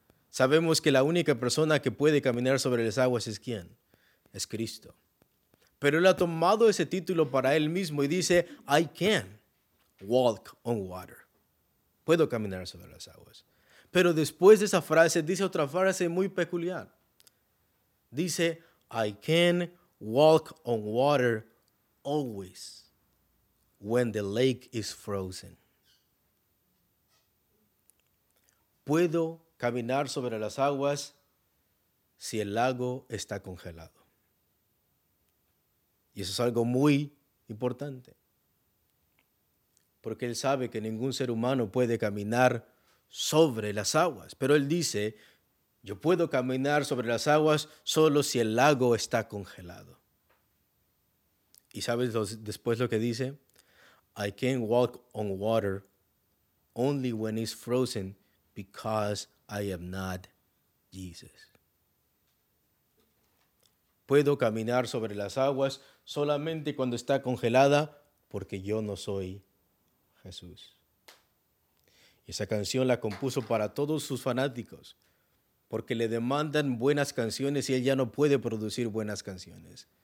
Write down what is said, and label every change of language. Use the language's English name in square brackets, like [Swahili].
[Spanish] Sabemos que la única persona que puede caminar sobre las aguas es ¿quién? Es Cristo. Pero él ha tomado ese título para él mismo y dice, [English] I can walk on water. [Spanish] Puedo caminar sobre las aguas. Pero después de esa frase, dice otra frase muy peculiar. [English] Dice, I can walk on water always when the lake is frozen. [Spanish] Puedo caminar sobre las aguas si el lago está congelado. Y eso es algo muy importante. Porque él sabe que ningún ser humano puede caminar sobre las aguas. Pero él dice, yo puedo caminar sobre las aguas solo si el lago está congelado. ¿Y sabes después lo que dice? [English] I can walk on water only when it's frozen because I am not Jesus. [Spanish] Puedo caminar sobre las aguas solamente cuando está congelada porque yo no soy Jesús. Esa canción la compuso para todos sus fanáticos porque le demandan buenas canciones y él ya no puede producir buenas canciones.